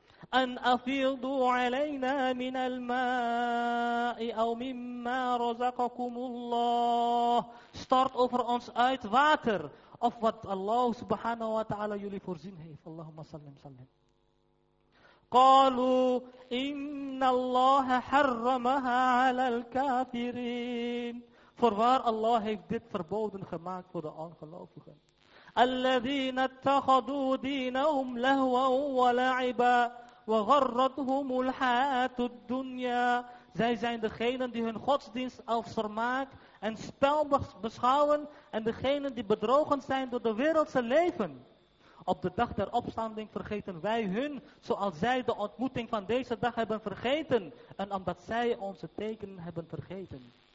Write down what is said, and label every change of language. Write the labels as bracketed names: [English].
[Arabic] En afidu alayna min al-ma'i aw mimma razaqakumullah. [Dutch] Start over ons uit water of wat Allah subhanahu wa ta'ala jullie voorzien heeft. [Arabic] Allahumma sallim sallim. قالوا إن الله حرمها على الكافرين. [Dutch] Voorwaar Allah heeft dit verboden gemaakt voor de ongelovigen. [Arabic] الذين اتخذوا دينهم لهوا ولعبا وغرتهم الحياة الدنيا. [Dutch] Zij zijn degenen die hun godsdienst als vermaak en spel beschouwen en degenen die bedrogen zijn door de wereldse leven. Op de dag der opstanding vergeten wij hun, zoals zij de ontmoeting van deze dag hebben vergeten. En omdat zij onze tekenen hebben vergeten.